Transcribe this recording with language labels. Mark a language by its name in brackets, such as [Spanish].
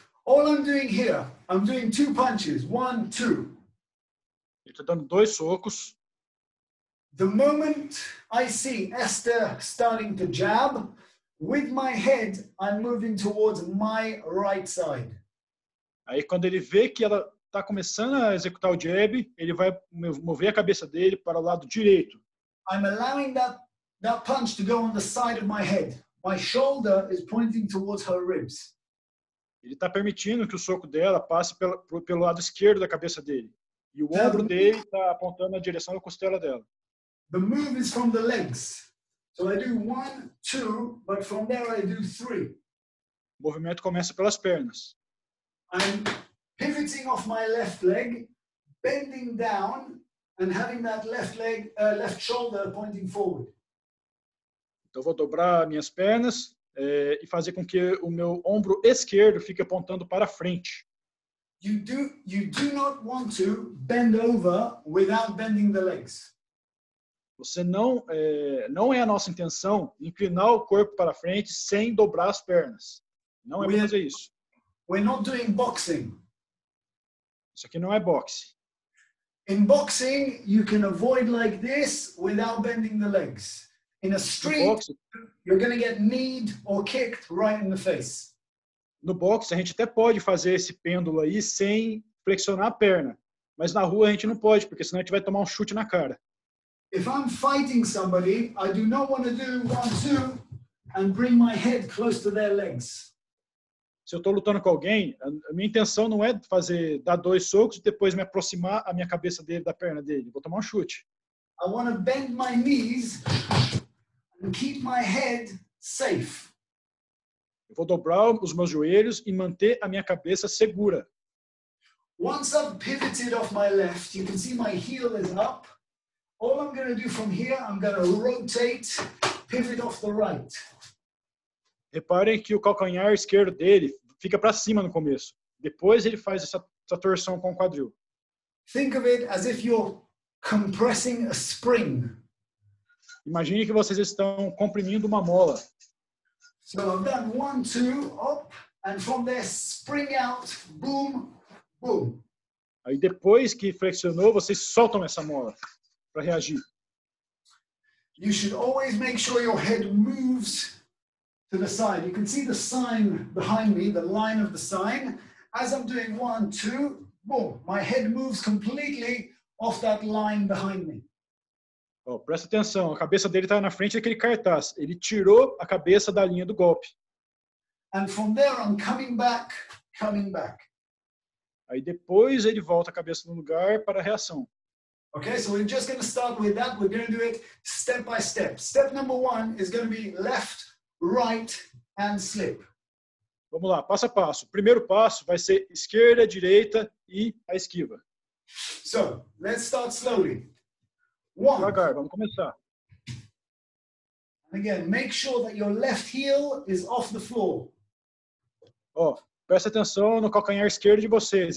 [English] All I'm doing here, I'm doing two punches. One, two. [Portuguese] Eu estou dando dois socos. [English] The moment I see Esther starting to jab, with my head, I'm moving towards my right side. [Portuguese] Aí quando ele vê que ela está começando a executar o jab, ele vai mover a cabeça dele para o lado direito. [English] I'm allowing that punch to go on the side of my head. My shoulder is pointing towards her ribs. [Portuguese] Ele está permitindo que o soco dela passe pelo lado esquerdo da cabeça dele. E o ombro dele está apontando na direção da costela dela. [English] The move is from the legs. So I do one, two, but from there I do three. [Portuguese] O movimento começa pelas pernas. [English] I'm pivoting off my left leg, bending down, and having that left shoulder pointing forward. [Portuguese] Então vou dobrar minhas pernas e fazer com que o meu ombro esquerdo fique apontando para frente. [English] You do not want to bend over without bending the legs. [Portuguese] Você não é a nossa intenção inclinar o corpo para frente sem dobrar as pernas. Não é fazer isso. [English] We're not doing boxing. [Portuguese] Isso aqui não é boxe. [English] In boxing, you can avoid like this without bending the legs. In a street, you're going to get kneed or kicked right in the face. [Portuguese] No boxe, a gente até pode fazer esse pêndulo aí sem flexionar a perna. Mas na rua a gente não pode, porque senão a gente vai tomar um chute na cara. [English] If I'm fighting somebody, I do not want to do one, two, and bring my head close to their legs. [Portuguese] Se eu estou lutando com alguém, a minha intenção não é dar dois socos e depois me aproximar a minha cabeça dele da perna dele. Vou tomar um chute. [English] I want to bend my knees and keep my head safe. [Portuguese] Eu vou dobrar os meus joelhos e manter a minha cabeça segura. [English] Once I've pivoted off my left, you can see my heel is up. All I'm going to do from here, I'm going to rotate, pivot off the right. [Portuguese] Reparem que o calcanhar esquerdo dele fica para cima no começo. Depois ele faz essa torção com o quadril. [English] Think of it as if you're compressing a spring. [Portuguese] Imagine que vocês estão comprimindo uma mola. [English] So then one, two, up, and from there spring out, boom, boom. [Portuguese] Aí depois que flexionou, vocês soltam essa mola para reagir. [English] You should always make sure your head moves to the side. You can see the sign behind me, the line of the sign. As I'm doing one, two, boom, my head moves completely off that line behind me. [Portuguese] Oh, presta atenção, a cabeça dele está na frente daquele cartaz. Ele tirou a cabeça da linha do golpe. [English] And from there I'm coming back, coming back. [Portuguese] Aí depois ele volta a cabeça no lugar para a reação. [English] Okay, so we're just going to start with that. We're going to do it step by step. Step number one is going to be left, right, and slip. [Portuguese] Vamos lá, passo a passo. Primeiro passo vai ser esquerda, direita e a esquiva. [English] So, let's start slowly. One. [Portuguese] Devagar, vamos começar. [English] And again, make sure that your left heel is off the floor. [Portuguese] Oh, presta atenção no calcanhar esquerdo de vocês.